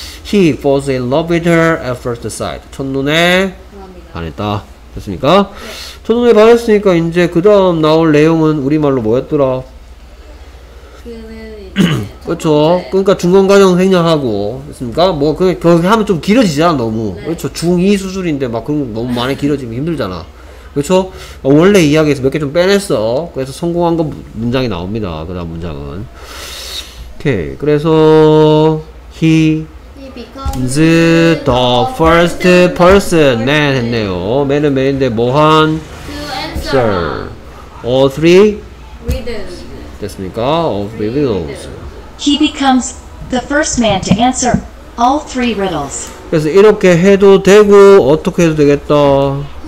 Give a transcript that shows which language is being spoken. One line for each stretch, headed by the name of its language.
English: He falls in love with her at first sight.
Korean: 첫눈에 반했다. 됐습니까? 네. 첫눈에 반했으니까 이제 그 다음 나올 내용은 우리말로 뭐였더라? 그렇죠. 그러니까 중간과정 생략하고 됐습니까? 뭐 그렇게 하면 좀 길어지잖아 너무. 네. 그렇죠. 중2 수술인데 막 그런 거 너무 많이 길어지면 힘들잖아. 그렇죠? 원래 이야기에서 몇 개 좀 빼냈어. 그래서 성공한 거 문장이 나옵니다. 그 다음 문장은. 오케이. 그래서
English: He becomes the first person. Man
Korean: 했네요. Man은 man인데 뭐한?
English: To answer. Sir. All three? Riddles.
Korean: 됐습니까?
English: All three riddles. He becomes the first man to answer all three riddles.
Korean: 그래서 이렇게 해도 되고 어떻게 해도 되겠다.